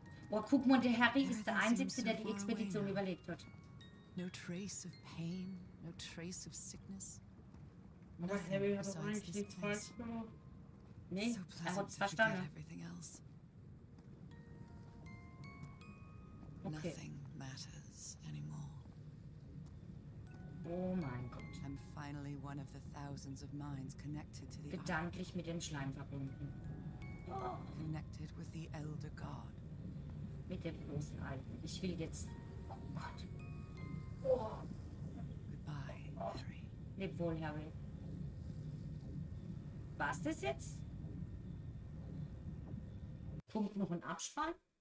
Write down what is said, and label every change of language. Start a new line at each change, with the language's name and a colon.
German: Oh, guck mal, der Harry ist der Einzige, der die Expedition überlebt hat.
English: No trace of pain, no trace of sickness.
German: Aber Harry hat doch eigentlich nichts falsch gemacht. Nee, er hat es verstanden. Okay.
English: Nothing matters anymore.
German: Oh mein Gott.
English: I'm finally one of the thousands of minds connected to the
German: gedanklich mit dem Schleim verbunden. Oh.
English: Connected with the Elder God.
German: Mit dem großen Alten. Ich will jetzt... Oh Gott.
English: Goodbye, Harry.
German: Leb wohl, Harry. War's das jetzt? Punkt noch ein Abspann?